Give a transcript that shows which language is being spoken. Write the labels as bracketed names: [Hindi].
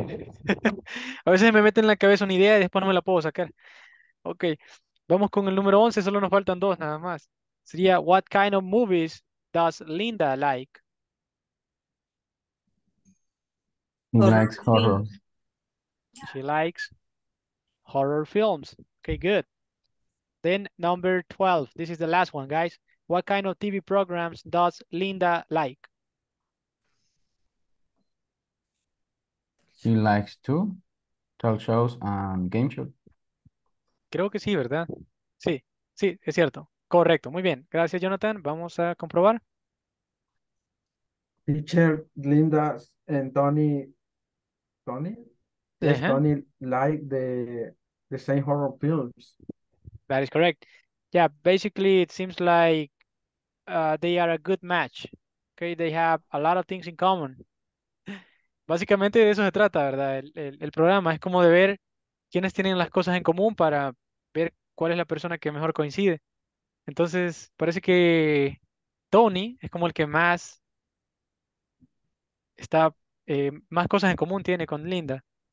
[Spanish] A veces me meten en la cabeza una idea y después no me la puedo sacar. Okay, vamos con el número 11. Solo nos faltan dos nada más. Sería, [English] what kind of movies does Linda like? She likes horror. She likes horror films. Okay, good. Then number 12. This is the last one, guys. What kind of TV programs does Linda like? She likes two talk shows and game shows. [Spanish] Creo que sí, ¿verdad? Sí, sí, es cierto. Correcto, muy bien. Gracias, Jonathan. Vamos a comprobar. [English] Teacher, Linda and Tony. Tony? Yes, uh-huh. Tony like the same horror films. That is correct. Yeah, basically it seems like they are a good match. Okay, they have a lot of things in common. [Spanish] Básicamente de eso se trata, ¿verdad? El programa es como de ver quiénes tienen las cosas en común para ver cuál es la persona que mejor coincide. Entonces, parece que Tony es como el que más está, más cosas en común tiene con Linda.